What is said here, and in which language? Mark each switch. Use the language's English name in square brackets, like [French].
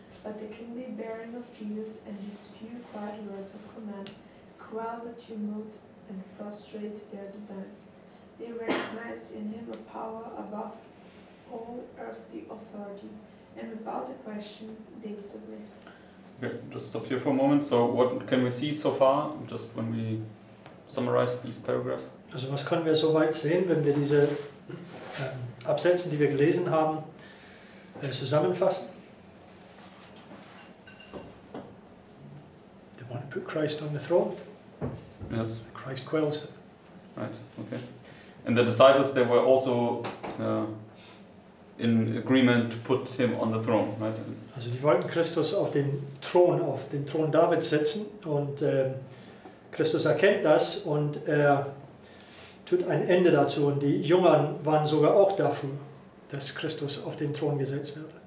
[English] but the kingly bearing of Jesus and his few quiet words of command quell the tumult and frustrate their designs. They recognize in him a power above all earthly authority, and without a question, they submit. Okay, just stop here for a moment. So what can we see so far, just when we summarize these paragraphs? [German] Also was können wir soweit sehen, wenn wir diese Absätzen, die wir gelesen haben, zusammenfassen? [English] They want to put Christ on the throne. Yes. Christ quells it. Right, okay. And the disciples, they were also in agreement to put him on the throne, right? [German] Also die wollten Christus auf den Thron Davids setzen, und Christus erkennt das und er tut ein Ende dazu, und die Jüngern waren sogar auch dafür, dass Christus auf den Thron gesetzt wird.